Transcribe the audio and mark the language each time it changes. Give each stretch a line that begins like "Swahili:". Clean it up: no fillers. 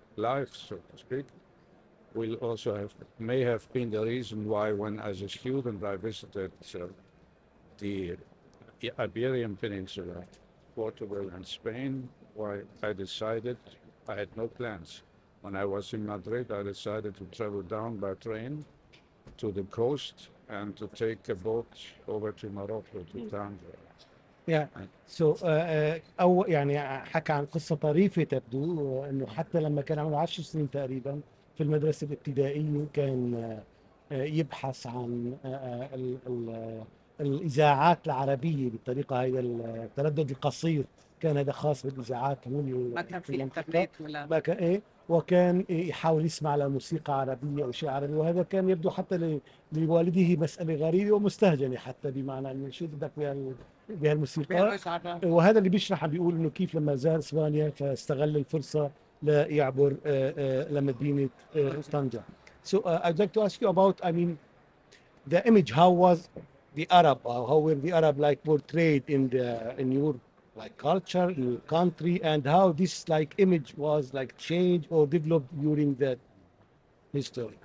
English: life, so to speak, will also have, may have been the reason why when as a student I visited the Iberian Peninsula, Portugal and Spain, why I decided, I had no plans. When I was in Madrid, I decided to travel down by train to the coast and to take a boat over to Morocco to Tanger.
Arabic: Yeah, so أو يعني حكى عن قصة طريفة تبدو إنه حتى لما كان عمره 10 سنين تقريبا في المدرسة الابتدائية كان يبحث عن الإذاعات العربية بالطريقة هاي التردد القصير، كان هذا خاص بالإذاعات هون ما كان في المنطقة، الإنترنت ولا ما كان إيه، وكان يحاول يسمع لموسيقى عربية أو شيء عربي، وهذا كان يبدو حتى لوالده مسألة غريبة ومستهجنة حتى، بمعنى إنه شو بدك بهالموسيقى. وهذا اللي بيشرح بيقول إنه كيف لما زار إسبانيا فاستغل الفرصة ليعبر لمدينة طنجة.
English: So I'd like to ask you about, I mean, the image, how was the Arab, or how were the Arab like portrayed in the in your like culture, in your country, and how this like image was like changed or developed during that history?